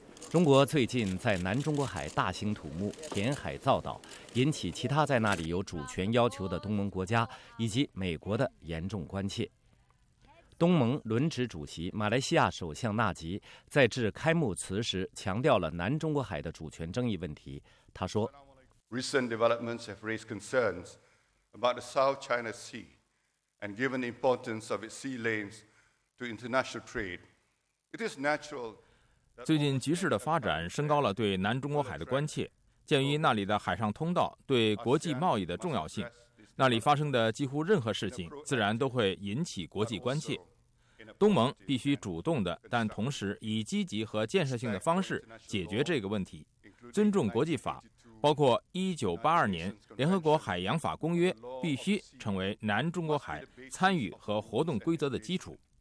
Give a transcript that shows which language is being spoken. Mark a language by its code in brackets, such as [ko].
[zh] 中国最近在南中国海大兴土木、填海造岛，引起其他在那里有主权要求的东盟国家以及美国的严重关切。东盟轮值主席马来西亚首相纳吉在致开幕词时强调了南中国海的主权争议问题。他说 [en] Recent developments have raised concerns about the South China Sea, and given the importance of its sea lanes to international trade, it is natural. [zh] 最近局势的发展升高了对南中国海的关切，鉴于那里的海上通道对国际贸易的重要性，那里发生的几乎任何事情自然都会引起国际关切。东盟必须主动的，但同时以积极和建设性的方式解决这个问题，尊重国际法，包括1982年联合国海洋法公约，必须成为南中国海参与和活动规则的基础。